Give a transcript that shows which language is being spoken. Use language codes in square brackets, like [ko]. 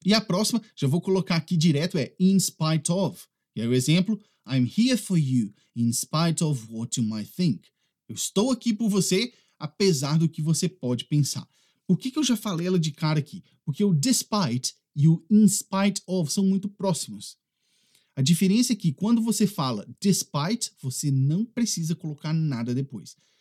[pt] E a próxima, já vou colocar aqui direto, é [en] in spite of. [pt] E aí o exemplo, [en] I'm here for you, in spite of what you might think. [pt] Eu estou aqui por você, apesar do que você pode pensar. Por que eu já falei ela de cara aqui? Porque o despite e o in spite of são muito próximos. A diferença é que quando você fala despite, você não precisa colocar nada depois.